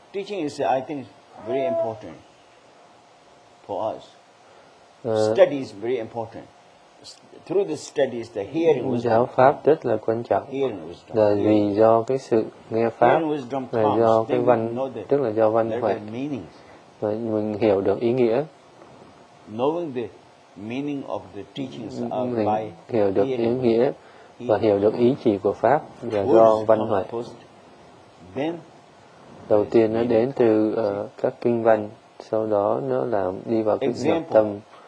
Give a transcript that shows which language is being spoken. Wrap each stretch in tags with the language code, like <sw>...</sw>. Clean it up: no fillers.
<en>Teaching is, I think, very important for us. Study is very important. Through the studies, the hearing wisdom.</en> <vi>Giáo pháp rất là quan trọng.</vi> <en>Hearing wisdom.</en> <vi>Là vì do cái sự nghe pháp, là do cái văn, tức là do văn huệ. Và mình hiểu được ý nghĩa.</vi> <en>Knowing the meaning of the teachings are by hearing.</en> <vi>Mình hiểu được ý nghĩa và hiểu được ý chỉ của pháp là do văn huệ.</vi> <en>Then,</en> <vi>đầu tiên nó đến từ các kinh văn, sau đó nó làm đi vào cái nội tâm.</vi>